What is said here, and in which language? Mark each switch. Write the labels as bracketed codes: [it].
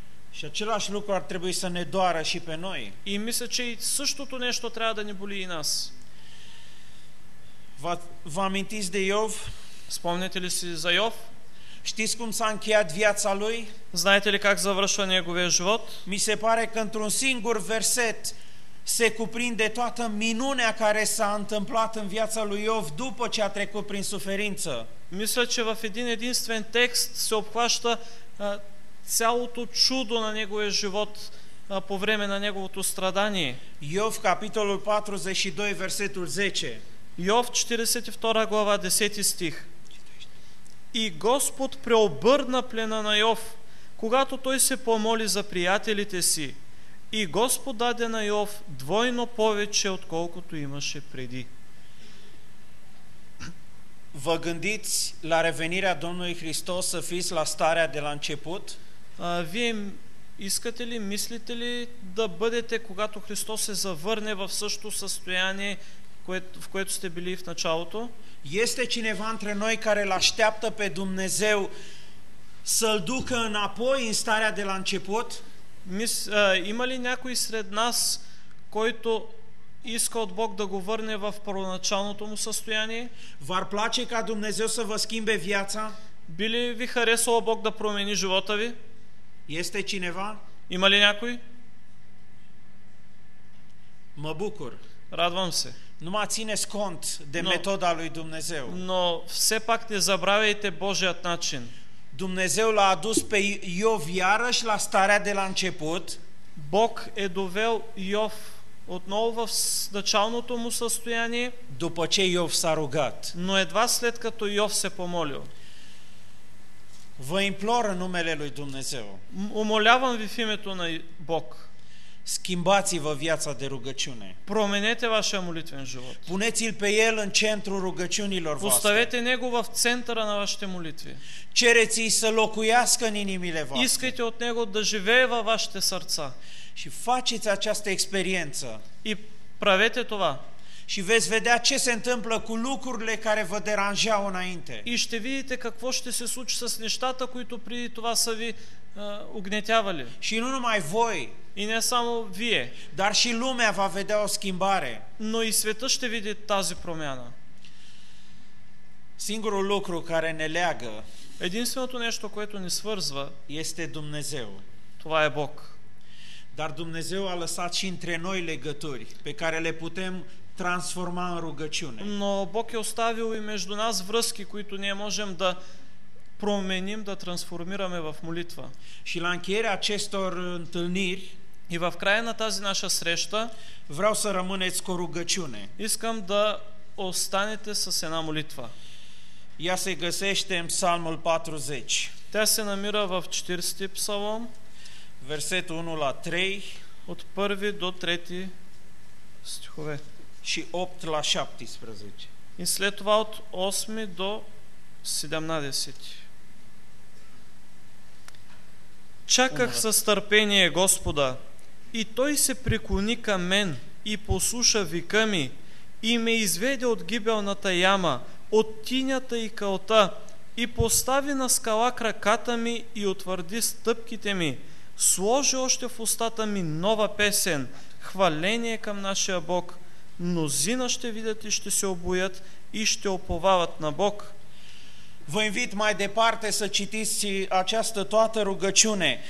[ro] Și același lucru ar trebui să ne doară și pe noi. [bg] И мисля, че същото нещо трябва да ни боли и нас. [ro] Vă amintiți de Iov? [bg] Спомняте ли си за Йов? [ro] Știți cum s-a încheiat viața lui? [bg] Знаете ли как завършва неговия живот? [ro] Mi se pare că într-un singur verset se cuprinde toată minunea care s-a întâmplat în viața lui Йов după ce a trecut prin suferință. [bg] Мисля, че в един единствен текст се обхваща цялото чудо на неговия живот по време на неговото страдание. [ro] Йов, капитолul 42, versetul 10. [bg] Йов 42 глава 10 стих. И Господ преобърна плена на Йов, когато той се помоли за приятелите си. И Господ даде на Йов двойно повече, отколкото имаше преди. [ro] Vă gândiți la revenirea Domnului Hristos să fiți la starea de la început? [bg] Вие искате ли, мислите ли да бъдете, когато Христос се завърне в същото състояние, в което сте били в началото. [ro] Este cineva între noi care îl așteaptă pe Dumnezeu să-l ducă înapoi în starea de la început? [bg] Има ли някой сред нас, който иска от Бог да го върне в първоначалното му състояние? [ro] V-ar place ca Dumnezeu să vă schimbe viața? [bg] Би ли ви харесало Бог да промени живота ви? [ro] Este cineva? [bg] Има ли някой? [ro] Mă bucur. [bg] Радвам се. [ro] Numai țineți cont de metoda lui Dumnezeu. [bg] Но все пак не забравяйте Божият начин. [ro] Dumnezeu l-a adus pe Iov iarăși la starea de la început. [bg] Бог е довел Йов отново в началното му състояние. [ro] După ce Йов s-a rugat. [bg] Но едва след като Йов се помолил. [ro] Vă implor în numele lui Dumnezeu. [bg] Умолявам ви в името на Бог. [ro] Schimbați-vă viața de rugăciune. [bg] Promenete vașa molitven život. [ro] Puneți-l pe el în centrul rugăciunilor voastre. [bg] Поставете него в центъра на вашите молитви. [ro] Cereți-i să locuiască în inimile voastre. [bg] Искайте от него да живее във вашите сърца. [ro] Și faceți această experiență. [bg] И правете това. [ro] Și veți vedea ce se întâmplă cu lucrurile care vă deranjeau înainte. [bg] И ще видите какво ще се случи с нещата, които преди това са ви угнетявали. [ro] Și nu numai voi. [bg] И не само вие. [ro] Dar și lumea va vedea o schimbare. [bg] Но и света ще види тази промяна. [ro] Singurul lucru care ne leagă. [bg] Единственото нещо, което ни свързва, [ro] este Dumnezeu. [bg] Това е Бог. [ro] Dar Dumnezeu a lăsat și între noi legături pe care le putem transforma în rugăciune. [bg] Но Бог е оставил и между нас връзки, които ние можем да променим, да трансформираме в молитва. [ro] Și la încheierea acestor întâlniri, [bg] и в края на тази наша среща, [ro] vreau să rămâneți cu rugăciune. [bg] Искам да останете с една молитва. [ro] Ea se găsește în Psalmul 40. [bg] Тя се намира в 40-ти псалом, [ro] versetul 1 la 3, [bg] от 1 до 3 стихове. [ro] Și 8 la 17. [bg] И след това от 8 до 17. Чаках със търпение Господа, и Той се преклони към мен и послуша вика ми, и ме изведе от гибелната яма, от тинята и кълта, и постави на скала краката ми и утвърди стъпките ми, сложи още в устата ми нова песен, хваление към нашия Бог. Мнозина ще видят и ще се обоят и ще уповават на Бог. [ro] Vă invit mai departe să citiți această toată rugăciune.